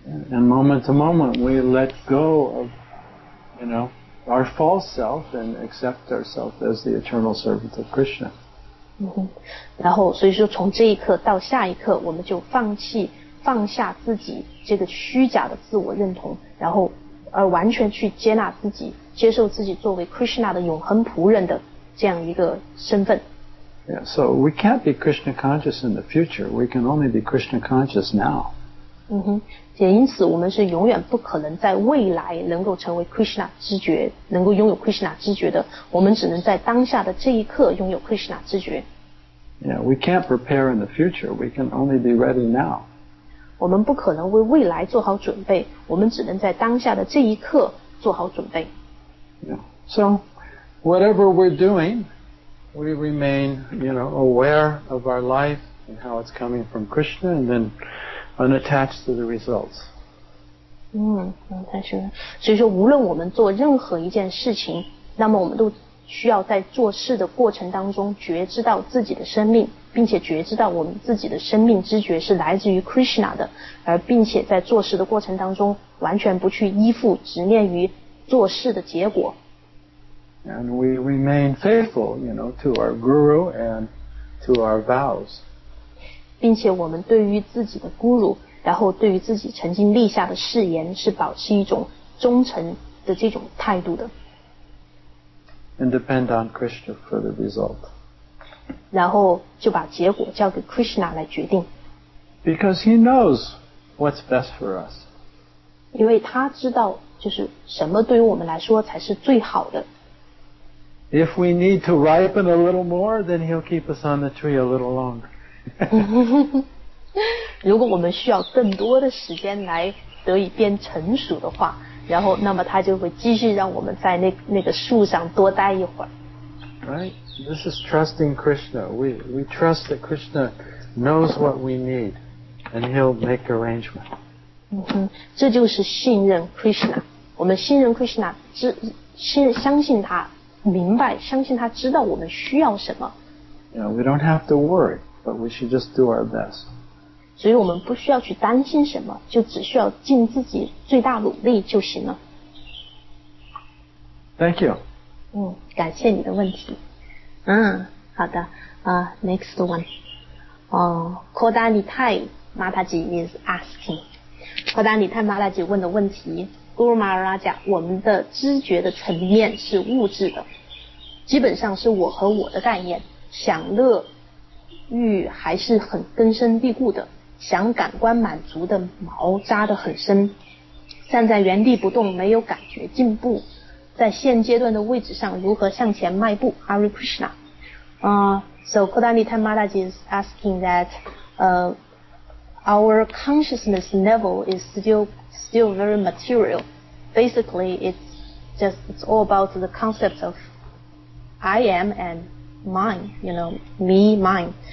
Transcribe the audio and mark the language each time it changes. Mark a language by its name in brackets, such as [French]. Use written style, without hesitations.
[English] And moment to moment we let go of, you know, our false self and accept ourselves as the eternal servant of Krishna. [Chinese] 然后所以说从这一刻到下一刻我们就放下自己这个虚假的自我认同，然后而完全去接纳自己，接受自己作为 Krishna 的永恒仆人的这样一个身份。 [English] Yeah, so we can't be Krishna conscious in the future. We can only be Krishna conscious now. [Chinese] 也因此我们是永远不可能在未来能够成为 Krishna 知觉，能够拥有 Krishna 知觉的。我们只能在当下的这一刻拥有 Krishna 知觉。 [English] Yeah, we can't prepare in the future. We can only be ready now. [Chinese] 我们不可能为未来做好准备，我们只能在当下的这一刻做好准备。 [English] Yeah. So, whatever we're doing,We remain, you know, aware of our life and how it's coming from Krishna and then unattached to the results. [Chinese] 太深了。所以说无论我们做任何一件事情，那么我们都需要在做事的过程当中觉知到自己的生命，并且觉知到我们自己的生命知觉是来自于 Krishna 的，而并且在做事的过程当中完全不去依附执念于做事的结果。 [English] And we remain faithful, you know, to our guru and to our vows. [Chinese] 并且我们对于自己的 guru, 然后对于自己曾经立下的誓言是保持一种忠诚的这种态度的。 [English] And depend on Krishna for the result. [Chinese] 然后就把结果交给 Krishna 来决定。 [English] Because he knows what's best for us. [Chinese] 因为他知道就是什么对于我们来说才是最好的。 [English] If we need to ripen a little more, then he'll keep us on the tree a little longer. [Chinese] 如果我们需要更多的时间来得以变成熟的话，然后那么他就会继续让我们在那个树上多待一会儿。 [English] Right? This is trusting Krishna. We trust that Krishna knows what we need, and he'll make arrangement. [Chinese] 这就是信任 Krishna. 我们信任 Krishna, 相信他。明白，相信他知道我们需要什么。 [English] You know, we don't have to worry, but we should just do our best. [Chinese] 所以我们不需要去担心什么，就只需要尽自己最大努力就行了。 [English] Thank you. [Chinese] 感谢你的问题。好的。 [English] Next one. Kodanitai Mataji is asking. [Chinese] Kodanitai Mataji 问的问题。 Guru Maharaj 讲，我们的知觉的层面是物质的，基本上是我和我的概念，享乐欲还是很根深蒂固的，想感官满足的毛扎得很深，站在原地不动没有感觉进步，在现阶段的位置上如何向前迈步。 [English] Hare Krishna. So Kodanitai Maharaj is asking that our consciousness level is still very material. Basically, it's all about the concept of I am and mine, you know, me, mine.